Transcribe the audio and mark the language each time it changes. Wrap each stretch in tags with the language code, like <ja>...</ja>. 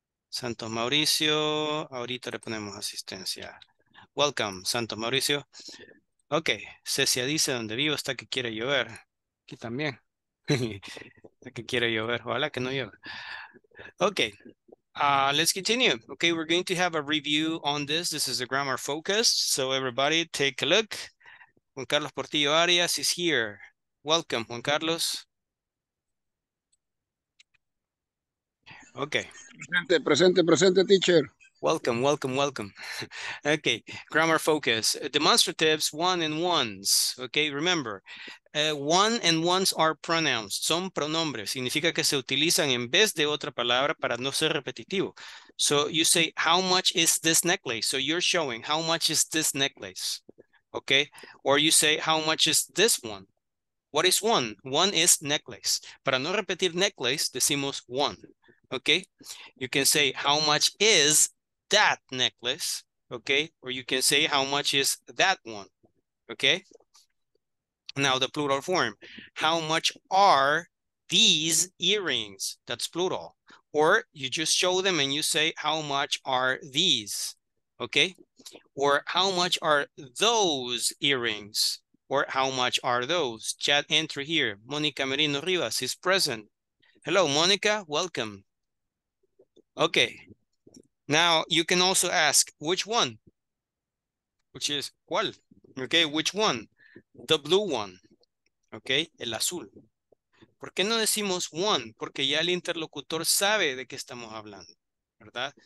<es>Santos Mauricio, ahorita le ponemos asistencia.</es> <en>Welcome, Santos Mauricio.</en> <es>Ok, Cecia dice, donde vivo está que quiere llover. Aquí también. Está que quiere llover, ojalá que no llueva.</es> <en>Ok, let's continue. Ok, we're going to have a review on this. This is the grammar focus. So everybody, take a look. Juan Carlos Portillo Arias is here. Welcome, Juan Carlos. Okay.</en> <es>Presente, teacher.</es> <en>Welcome. Okay, grammar focus. Demonstratives, one and ones. Okay, remember, one and ones are pronouns.</en> <es>Son pronombres. Significa que se utilizan en vez de otra palabra para no ser repetitivo.</es> <en>So you say, how much is this necklace? So you're showing, how much is this necklace? Okay, or you say, how much is this one? What is one? One is necklace.</en> <es>Para no repetir</es> <en>necklace,</en> <es>decimos</es> <en>one. Okay, you can say, how much is that necklace? Okay, or you can say, how much is that one? Okay, now the plural form, how much are these earrings? That's plural. Or you just show them and you say, how much are these? okay? Or how much are those earrings? Or how much are those? Chat entry here. Monica Merino Rivas is present. Hello, Monica, welcome. Okay, now you can also ask which one, which is</en> <es>cuál,</es> <en>okay, which one? The blue one, okay,</en> <es>el azul. ¿Por qué no decimos one? Porque ya el interlocutor sabe de qué estamos hablando, ¿verdad?</es>